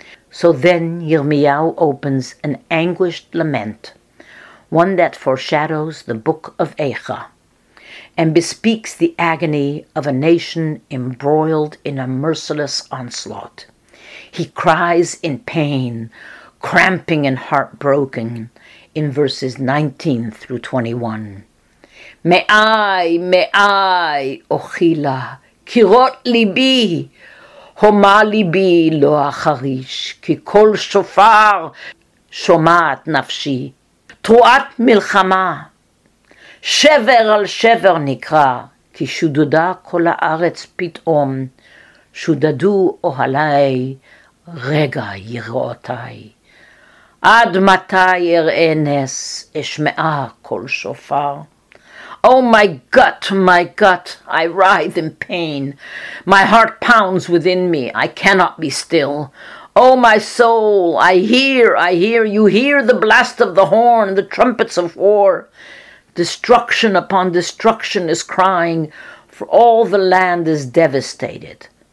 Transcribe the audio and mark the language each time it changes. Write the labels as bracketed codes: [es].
[en] So then Yirmiyahu opens an anguished lament, one that foreshadows the book of Eicha, and bespeaks the agony of a nation embroiled in a merciless onslaught. He cries in pain, cramping and heartbroken, in verses 19 through 21. [he] Me'ai, me'ai, ochila, kirot libi, homa libi lo acharish, ki kol shofar shomat nafshi, תרועת מלחמה, שבר על שבר נקרא, כי שודדה כל הארץ פתאום, שודדו אוהלי רגע יראותי. עד מתי אראה נס, אשמעה כל שופר. [en] Oh my gut, I writhe in pain. My heart pounds within me, I cannot be still. Oh, my soul, I hear, you hear the blast of the horn, the trumpets of war. Destruction upon destruction is crying, for all the land is devastated.